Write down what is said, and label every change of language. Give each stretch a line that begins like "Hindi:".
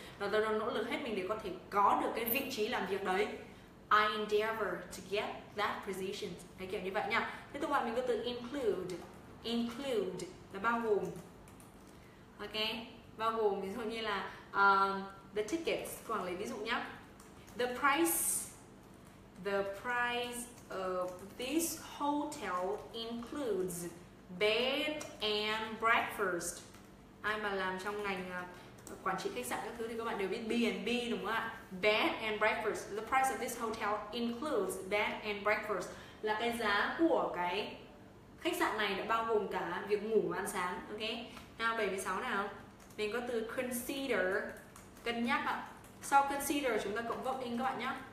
Vietnamese: Và tôi đang nỗ lực hết mình để có thể có được cái vị trí làm việc đấy.
English: I endeavor to get that position.
Vietnamese: Đấy, kiểu như vậy nha. Thế tôi gọi mình có từ include. Include là bao gồm. Ok, bao gồm ví dụ như là the tickets, quản lý ví dụ nhá.
English: The price of this hotel includes bed and breakfast.
Vietnamese: Ai mà làm trong ngành quản trị khách sạn các thứ thì các bạn đều biết B&B đúng không ạ?
English: Bed and breakfast. The price of this hotel includes bed and breakfast.
Vietnamese: Là cái giá của cái khách sạn này đã bao gồm cả việc ngủ và ăn sáng. Ok. Nào 76 nào. Mình có từ consider. Cân nhắc ạ. Sau consider chúng ta cộng verb ing các bạn nhé.